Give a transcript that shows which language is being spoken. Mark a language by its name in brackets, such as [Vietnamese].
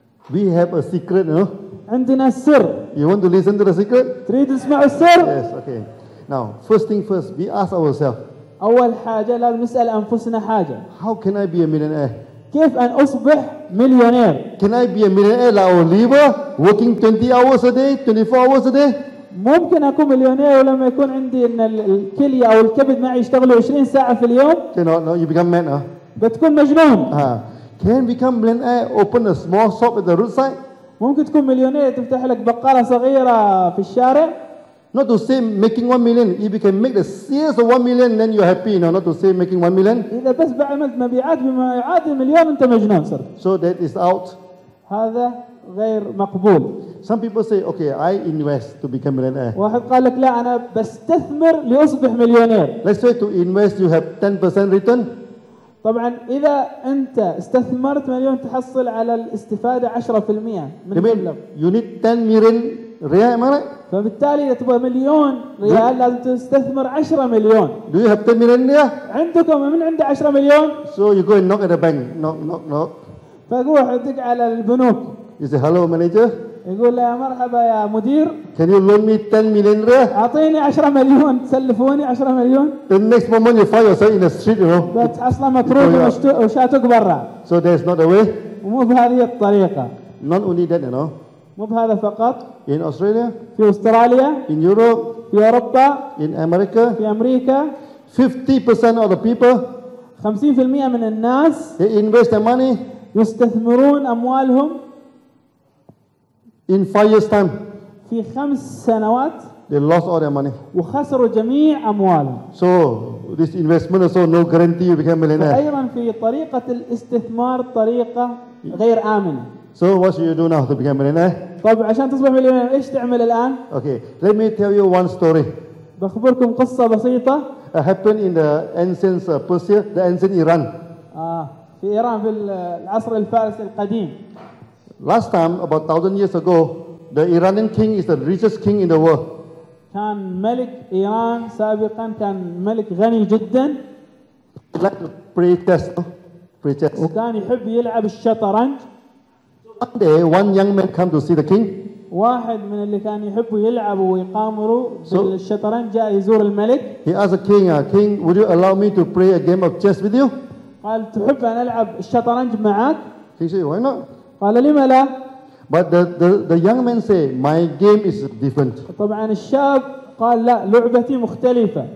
[English] We have a secret, no? [Arabic] عندنا سر. [English] You want to listen to the secret? [Arabic] تريد تسمع السر؟ [English] Yes. Okay. Now, first thing first, we ask ourselves. [Arabic] أول حاجة لازم نسأل أنفسنا حاجة. [English] How can I be a millionaire? [Arabic] كيف أن أصبح مليونير؟ [English] Can I be a millionaire like Oliver, working 20 hours a day, 24 hours a day? [Arabic] ممكن أكون مليونير ولما يكون عندي إن الكلية أو الكبد معي يشتغلوا 20 ساعة في اليوم؟ [English] No, you become mad. [Arabic] بتكون مجنون. [English] Can become millionaire, open a small shop at the roadside? [Arabic] ممكن تكون مليونير تفتح لك بقالة صغيرة في الشارع؟ [English] Not to say making 1 million. If you can make the sales of 1 million, then you're happy. No, not to say making 1 million. [Arabic] إذا بس بعملت مبيعات بما يعادل 1 million أنت مجنون صرت. [English] So that is out. [Arabic] هذا غير مقبول. [English] Some people say, okay, I invest to become millionaire. [Arabic] واحد قال لك لا أنا بستثمر لأصبح مليونير. [English] Let's say to invest you have 10% return. [Arabic] طبعا إذا أنت استثمرت 1 million تحصل على الاستفادة 10% من المبلغ. [English] You need 10 million riyal, am I right? [Arabic] فبالتالي إذا تبغى 1 million riyal لازم تستثمر 10 million. [English] Do you have 10 million riyal? [Arabic] عندكم من عنده 10 million؟ [English] So you go and knock at the bank. Knock, knock, knock. [Arabic] فروح ادق على البنوك. [English] You say hello manager. [Arabic] يقول له يا مرحبا يا مدير. [English] Can you loan me 10 million riyal? [Arabic] أعطيني 10 مليون تسلفوني 10 مليون. [English] The next moment you find yourself in the street, you know. [Arabic] بس أصلا ما تروح وشاتك برا. [English] So there's not a way. [Arabic] مو بهذه الطريقة. [English] Not only that, you know. [Arabic] مو بهذا فقط. [English] In Australia. [Arabic] في أستراليا. [English] In Europe. [Arabic] في أوروبا. [English] In America. [Arabic] في أمريكا. [English] 50% of the people. [Arabic] 50% من الناس. [English] They invest their money. [Arabic] يستثمرون أموالهم. [English] In 5 years time. [Arabic] في 5 سنوات. [English] They lost all their money. [Arabic] وخسروا جميع أموالهم. [English] So this investment also no guarantee you become millionaire. [Arabic] أيضا في طريقة الاستثمار طريقة غير آمنة. [English] So what should you do now to become a millionaire? [Arabic] طيب عشان تصبح مليونير ايش تعمل الآن؟ [English] Okay, let me tell you one story. [Arabic] بخبركم قصة بسيطة. [English] Happened in the ancient Persia, the ancient Iran. [Arabic] في إيران في العصر الفارسي القديم. [English] Last time, about 1,000 years ago, the Iranian king is the richest king in the world. [Arabic] كان ملك إيران سابقا كان ملك غني جدا. [English] Like to play chess. Play chess. [Arabic] وكان يحب يلعب الشطرنج. [English] One day, one young man came to see the king. [Arabic] واحد من اللي كان يحبوا يلعبوا ويقامروا بالشطرنج جاء يزور الملك. [English] He asked the king, "King, would you allow me to play a game of chess with you?" [Arabic] قال تحب أن ألعب الشطرنج معك؟ [English] He said, "Why not?" [Arabic] قال لي ما لا. [English] But the young man said, "My game is different." [Arabic] طبعاً الشاب قال لا لعبتي مختلفة.